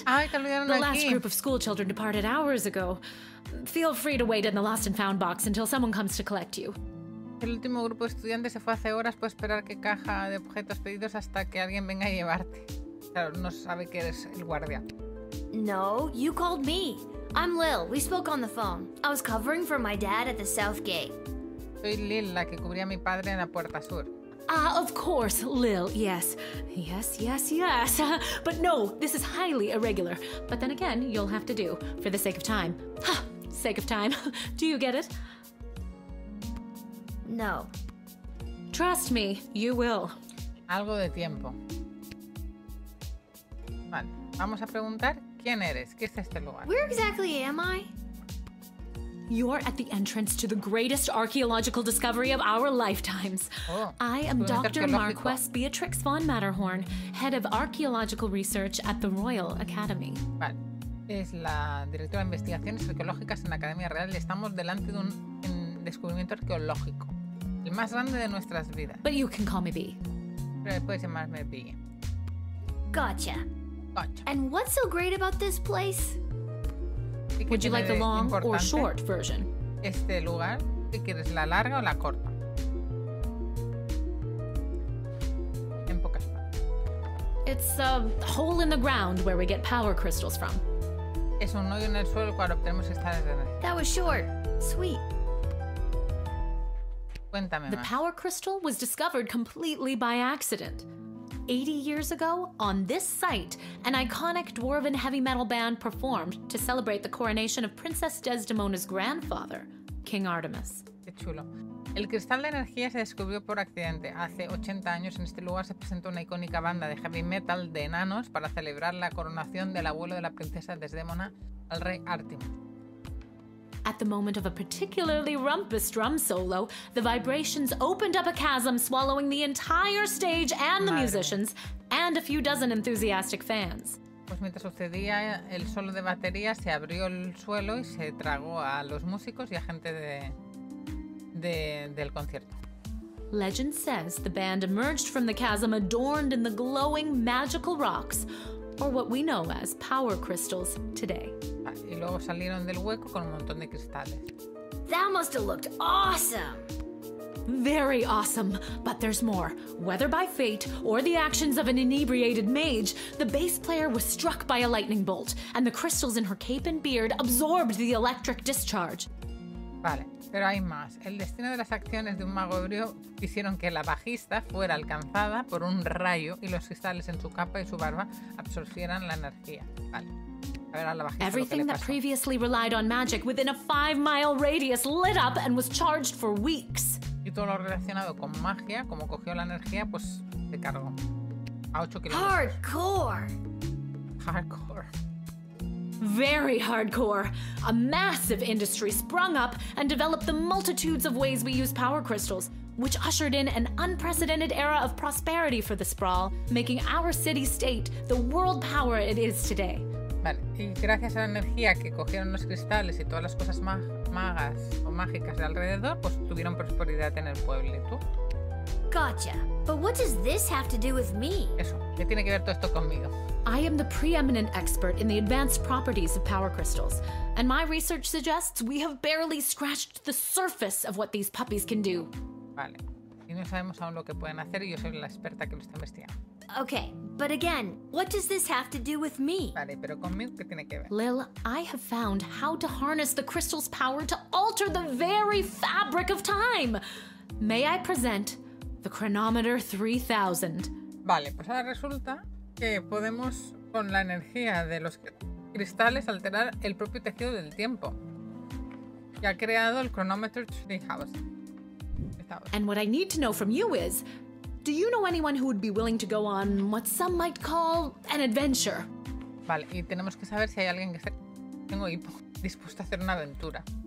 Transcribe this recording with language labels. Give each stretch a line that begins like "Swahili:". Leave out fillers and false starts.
English: The last group of school children departed hours ago. Feel free to wait in the lost and found box until someone comes to collect you.
Spanish: El último grupo de estudiantes se fue hace horas. Puedes esperar que caja de objetos pedidos hasta que alguien venga a llevarte. Claro, no sabe que eres el guardia.
English: No, you called me. I'm Lil, we spoke on the phone. I was covering for my dad at the south gate.
Spanish: Soy Lil, la que cubría a mi padre en la puerta sur.
English: Ah, of course, Lil, yes. Yes, yes, yes. But no, this is highly irregular. But then again, you'll have to do, for the sake of time. Sake of time. Do you get it? No. Trust me, you will.
Spanish: Algo de tiempo. Vale, vamos a preguntar quién eres. ¿Qué es este lugar?
English: Where exactly am I? You're at the entrance to the greatest archaeological discovery of our lifetimes. Oh, I am Dr. Marquess Beatrix von Matterhorn, head of archaeological research at the Royal Academy.
Spanish: Vale. Es la directora de investigaciones arqueológicas en la Academia Real y estamos delante de un descubrimiento arqueológico. El más grande de nuestras vidas.
English: But you can call me Bea.
Spanish: Pero puedes llamarme Bea.
English: Gotcha. Gotcha. And what's so great about this place? Would you like the long or short version?
Spanish: Este lugar, si quieres la larga o la corta. En pocas palabras.
English: It's a hole in the ground where we get power crystals from.
Spanish: Es un hoyo en el suelo cuando obtenemos estas energías.
English: That was short. Sweet.
Spanish: Cuéntame más.
English: The power crystal was discovered completely by accident. 80 years ago, on this site, an iconic dwarven heavy metal band performed to celebrate the coronation of Princess Desdemona's grandfather, King Artemis.
Spanish: Qué chulo. El cristal de energía se descubrió por accidente. Hace 80 años en este lugar se presentó una icónica banda de heavy metal de enanos para celebrar la coronación del abuelo de la princesa Desdémona al rey Artemis.
English: At the moment of a particularly rumpus drum solo, the vibrations opened up a chasm swallowing the entire stage and the musicians and a few dozen enthusiastic fans.
Spanish: Pues mientras sucedía el solo de batería se abrió el suelo y se tragó a los músicos y a gente del concierto.
English: Legend says the band emerged from the chasm adorned in the glowing magical rocks, or what we know as power crystals today.
Spanish: Y luego salieron del hueco con un montón de cristales.
English: That must have looked awesome. Very awesome, but there's more. Whether by fate or the actions of an inebriated mage, the bass player was struck by a lightning bolt, and the crystals in her cape and beard absorbed the electric discharge.
Spanish: Vale, pero hay más. El destino de las acciones de un mago ebrio hicieron que la bajista fuera alcanzada por un rayo y los cristales en su capa y su barba absorbieran la energía. Vale. A ver a la bajista.
English: Everything
Spanish: lo que
English: that previously relied on magic within a 5-mile radius lit up and was charged for weeks.
Spanish: Y todo lo relacionado con magia, como cogió la energía, pues se cargó a 8 kilómetros.
English: Hardcore. Hardcore. Very hardcore. A massive industry sprung up and developed the multitudes of ways we use power crystals, which ushered in an unprecedented era of prosperity for the sprawl, making our city-state the world power it is today.
Spanish: Vale, y gracias a la energía que cogieron los cristales y todas las cosas magas o mágicas de alrededor, pues tuvieron prosperidad en el pueblito.
English: Gotcha. But what does this have to do with me?
Spanish: Eso, ¿qué tiene que ver todo esto conmigo?
English: I am the preeminent expert in the advanced properties of power crystals, and my research suggests we have barely scratched the surface of what these puppies can do.
Spanish: Vale. Y no sabemos aún lo que pueden hacer y yo soy la experta que lo está investigando.
English: Okay, but again, what does this have to do with me?
Spanish: Vale, pero conmigo, ¿qué tiene que ver?
English: Lil, I have found how to harness the crystal's power to alter the very fabric of time. May I present the chronometer 3000?
Spanish: Vale, pues ahora resulta que podemos, con la energía de los cristales, alterar el propio tejido del tiempo. Y ha creado el chronometer 3000.
English: And what I need to know from you is, do you know anyone who would be willing to go on what some might call an adventure?
Spanish: Vale, y tenemos que saber si hay alguien que tengo hipo dispuesto a hacer una aventura.